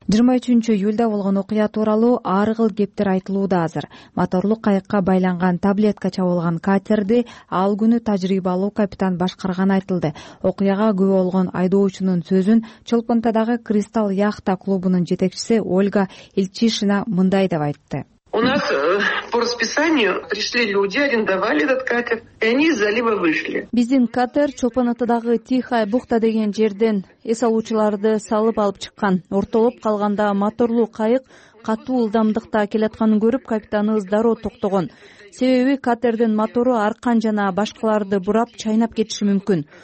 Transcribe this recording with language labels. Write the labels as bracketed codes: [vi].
[ky] 23-июлда болгон окуя тууралуу ар кыл кептер айтылууда азыр. Моторлуу кайыкка байланган таблетка чабылган катерди ал күнү тажрыйбалуу капитан башкарганы айтылды. Окуяга күбө болгон айдоочунун сөзүн Чолпонтадагы Кристалл яхта клубунун жетекчиси Ольга Ильчишина мындай деп айтты. [ru] У нас по расписанию пришли люди, арендовали этот катер, и они из залива вышли. [ky] Биздин катер Чолпон-атадагы Тихая бухта деген жерден эс алуучуларды салып алып чыккан. Ортолоп калганда моторлуу кайык катуу ылдамдыкта келатканын көрүп, капитаныбыз дароо токтогон. Себеби катердин мотору аркан жана башкаларды бурап чайнап кетиши мүмкүн.